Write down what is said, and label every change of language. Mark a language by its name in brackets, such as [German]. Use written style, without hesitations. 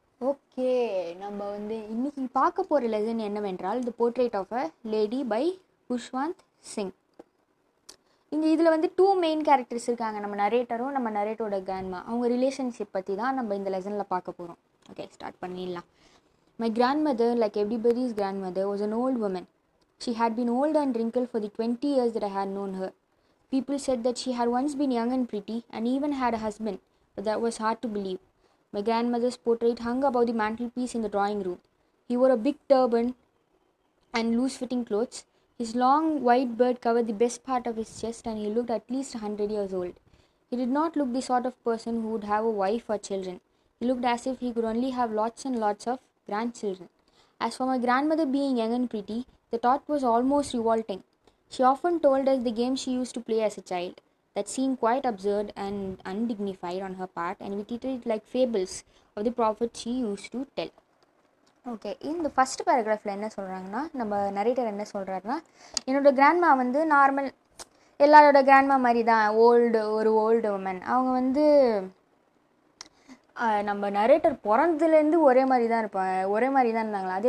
[Tamil] Okay, நம்ம வந்து இன்னைக்கு பார்க்க போகிற லெசன் என்னவென்றால், தி portrait of a lady by Khushwant Singh. இந்த இதில் வந்து டூ மெயின் கேரக்டர்ஸ் இருக்காங்க, நம்ம நரேட்டரும் நம்ம நரேட்டரோட கிராண்ட்மா. அவங்க ரிலேஷன்ஷிப் பற்றி தான் நம்ம இந்த லெசனில் பார்க்க போகிறோம். ஓகே, ஸ்டார்ட் பண்ணிடலாம். [English] My grandmother, like everybody's grandmother, was an old woman. She had been old and wrinkled for the 20 years that I had known her. People said that she had once been young and pretty and even had a husband, but that was hard to believe. My grandmother's portrait hung above the mantelpiece in the drawing room. He wore a big turban and loose-fitting clothes. His long white beard covered the best part of his chest and he looked at least 100 years old. He did not look the sort of person who would have a wife or children. He looked as if he could only have lots and lots of grandchildren. As for my grandmother being young and pretty, the thought was almost revolting. She often told us the game she used to play as a child. That seemed quite absurd and undignified on her part, and we treated it like fables of the prophet she used to tell. Okay, in the first paragraph, [Tamil] la enna solranga na nama narrator enna solrar na enoda grandma vandu normal ellaroda grandma mari da old or old woman avanga vandu நம்ம narrator பிறந்ததுலேருந்து ஒரே மாதிரி தான் இருப்பாங்க, ஒரே மாதிரி தான் இருந்தாங்களா.